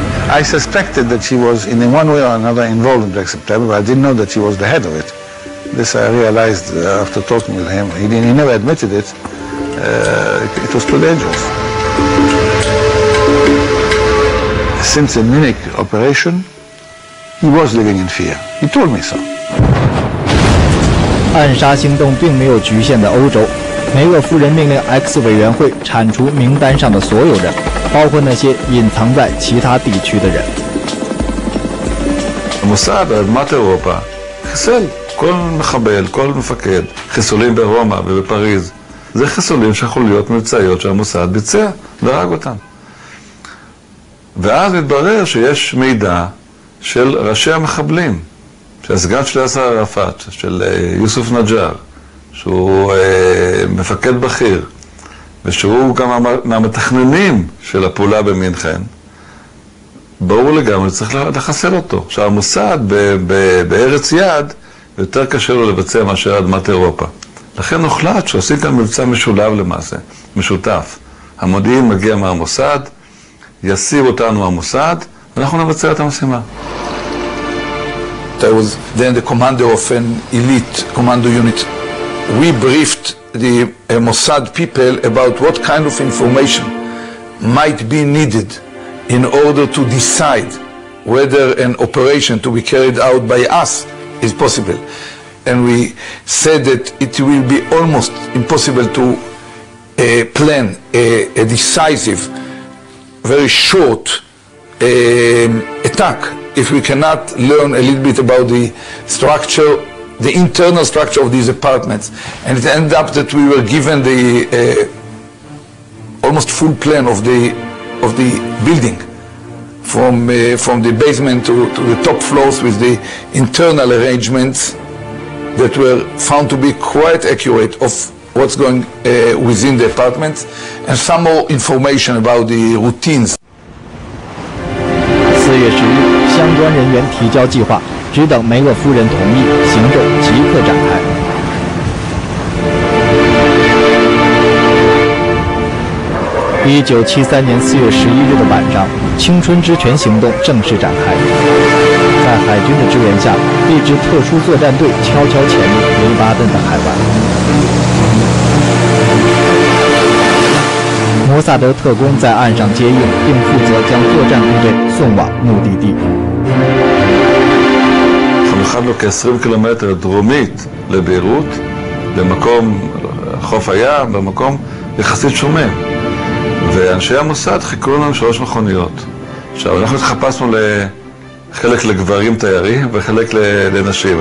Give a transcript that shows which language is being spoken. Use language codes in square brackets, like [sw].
[en] I suspected that she was in one way or another involved in Black September, but I didn't know that she was the head of it. This I realized after talking with him. He never admitted it. It was too dangerous. Since the Munich operation, he was living in fear. He told me so. [zh] 暗杀行动并没有局限在欧洲。梅厄夫人命令 X 委员会铲除名单上的所有人，包括那些隐藏在其他地区的人。 [he] Mossad, Mat-Europa, חיסל כל מחבל, כל מפקד, חיסולים ברומא ובפריז. זה חיסולים שחוליות מבצעיות שהמוסד ביצע והרג אותם. ואז מתברר שיש מידע של ראשי המחבלים, של הסגן של יאסר ערפאת, של יוסף נג'אר. שהוא מפקד בכיר ושהוא גם מהמתכננים של הפעולה במינכן, ברור לגמרי צריך לחסל אותו, שהמוסד בארץ יד יותר קשה לו לבצע מאשר אדמת אירופה. לכן הוחלט שעושים כאן מבצע משולב, למעשה משותף, המודיעין מגיע מהמוסד, יסיר אותנו המוסד ואנחנו נבצע את המשימה. [en] I was then the commander of an elite commando unitWe briefed the Mossad people about what kind of information might be needed in order to decide whether an operation to be carried out by us is possible. And we said that it will be almost impossible to plan a decisive, very short attack if we cannot learn a little bit about the structure. The internal structure of these apartments, and it ended up that we were given the almost full plan of the building, from the basement to the top floors, with the internal arrangements that were found to be quite accurate of what's going within the apartments, and some more information about the routines. [zh] 4月10日，相关人员提交计划。只等梅厄夫人同意，行动即刻展开。 1973年4月11日的晚上，青春之泉行动正式展开。在海军的支援下，一支特殊作战队悄悄潜入黎巴嫩的海湾。摩萨德特工在岸上接应，并负责将作战部队送往目的地。 [he] התחלנו כ-20 קילומטר דרומית לביירות, למקום חוף הים, במקום יחסית שומם. ואנשי המוסד חיכו לנו שלוש מכוניות. עכשיו, אנחנו התחפשנו לחלק לגברים תיירים וחלק לנשים.